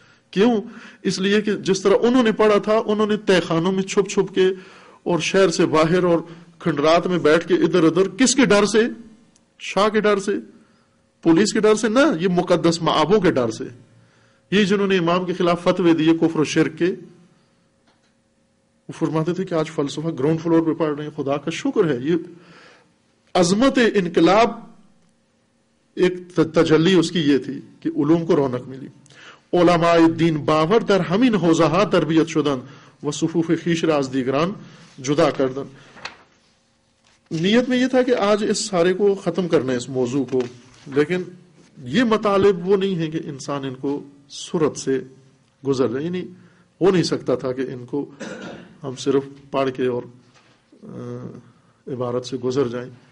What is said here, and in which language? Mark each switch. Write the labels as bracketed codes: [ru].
[ur] کیوں؟ اس لیے کہ جس طرح انہوں نے پڑھا تھا، انہوں نے تہ خانوں میں چھپ چھپ کے اور شہر سے باہر اور کھنڈرات میں بیٹھ کے ادھر ادھر، کس کے ڈر سے؟ شاہ کے ڈر سے، پولیس کے ڈر سے؟ نہ، یہ مقدس مآبوں کے ڈر سے، یہ جنہوں نے امام کے خلاف فتوے دیے کفر و شرک کے، وہ فرماتے تھے کہ آج فلسفہ گراؤنڈ فلور پہ پڑھ رہے ہیں، خدا کا شکر ہے. یہ عظمت انقلاب ایک تجلی اس کی یہ تھی کہ علوم کو رونق ملی. [fa] علماء دین باور در همین حوزه‌ها تربیت شدن و صفوف خیش را از دیگران جدا کردن. [ur] نیت میں یہ تھا کہ آج اس سارے کو ختم کرنا ہے اس موضوع کو، لیکن یہ مطالب وہ نہیں ہیں کہ انسان ان کو صورت سے گزر رہے، یعنی ہو نہیں سکتا تھا کہ ان کو ہم صرف پڑھ کے اور عبارت سے گزر جائیں.